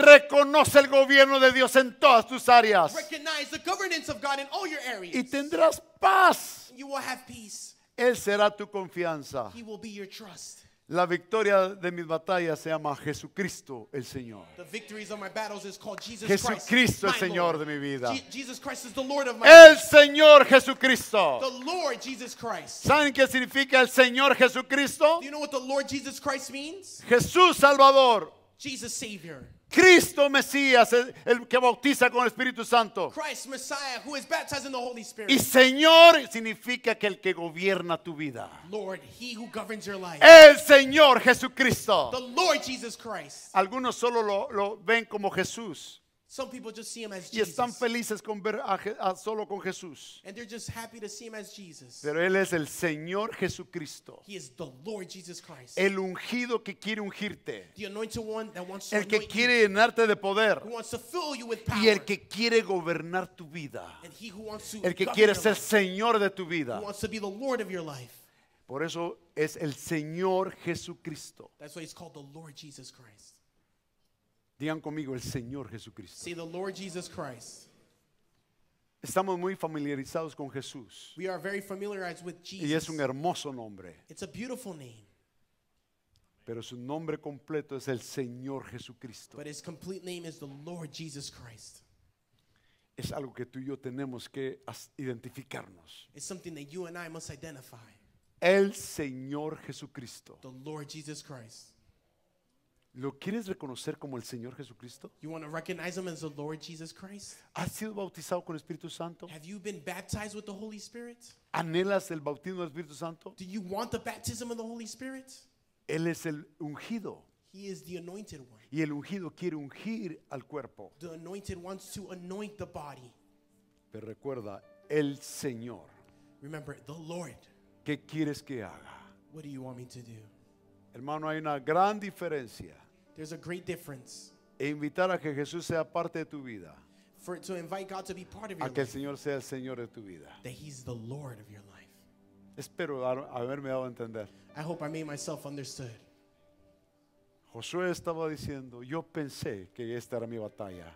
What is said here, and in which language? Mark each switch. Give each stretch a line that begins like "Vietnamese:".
Spanish: Reconoce el gobierno de Dios en todas tus áreas.
English: Recognize the governance of God in all your areas.
Spanish: Y tendrás paz.
English: You will have peace.
Spanish: Él será tu confianza.
English: He will be your trust.
Spanish: La victoria de mis batallas se llama Jesucristo el Señor.
English: The victories of my battles is called Jesus Christ.
Spanish: Jesucristo el Señor de mi vida.
English: Jesus Christ is the Lord of my
Spanish: life. El Señor Jesucristo.
English: The Lord Jesus Christ.
Spanish: ¿Saben qué significa el Señor Jesucristo?
English: Do you know what the Lord Jesus Christ means?
Spanish: Jesús Salvador.
English: Jesus Savior.
Spanish: Cristo Mesías, el que bautiza con el Espíritu Santo.
English: Christ Messiah, who is baptized in the Holy Spirit.
Spanish: Y Señor significa que el que gobierna tu vida.
English: Lord, He who governs your life.
Spanish: El Señor Jesucristo.
English: The Lord Jesus Christ.
Spanish: Algunos solo lo ven como Jesús.
English: Some people just see Him as Jesus.
Spanish: Y están felices con ver a solo con Jesús.
English: And they're just happy to see Him as Jesus.
Spanish: Pero Él es el Señor Jesucristo.
English: He is the Lord Jesus Christ.
Spanish: El ungido que quiere ungirte.
English: The anointed one that wants to
Spanish: el que quiere llenarte de poder.
English: Who wants to fill you with power.
Spanish: Y el que quiere gobernar tu vida.
English: And He who wants to
Spanish: el que quiere ser Señor de tu vida.
English: Who wants to be the Lord of your life.
Spanish: Por eso es el Señor Jesucristo.
English: That's why He's called the Lord Jesus Christ.
Spanish: Digan conmigo el Señor Jesucristo.
English: See the Lord Jesus Christ.
Spanish: Estamos muy familiarizados con Jesús.
English: We are very familiarized with Jesus.
Spanish: Y es un hermoso nombre.
English: It's a beautiful name.
Spanish: Pero su nombre completo es el Señor Jesucristo.
English: But His complete name is the Lord Jesus Christ.
Spanish: Es algo que tú y yo tenemos que identificarnos.
English: It's something that you and I must identify.
Spanish: El Señor Jesucristo.
English: The Lord Jesus Christ.
Spanish: ¿Lo quieres reconocer como el Señor Jesucristo?
English: You want to recognize Him as the Lord Jesus Christ?
Spanish: ¿Has sido bautizado con el Espíritu Santo?
English: Have you been baptized with the Holy Spirit?
Spanish: ¿Anhelas el bautismo del Espíritu Santo?
English: Do you want the baptism of the Holy Spirit?
Spanish: Él es el ungido.
English: He is the anointed one.
Spanish: Y el ungido quiere ungir al cuerpo.
English: The anointed wants to anoint the body.
Spanish: Pero recuerda, el Señor.
English: Remember, the Lord.
Spanish: ¿Qué quieres que haga?
English: What do you want me to do?
Spanish: Hermano, hay una gran diferencia.
English: There's a great difference.
Spanish: E invitar a que Jesús sea parte de tu vida.
English: For to invite God to be part of your
Spanish: life. A que el Señor sea el Señor de tu vida.
English: That He's the Lord of your life.
Spanish: Espero haberme dado a entender.
English: I hope I made myself understood.
Spanish: Josué estaba diciendo, yo pensé que esta era mi batalla.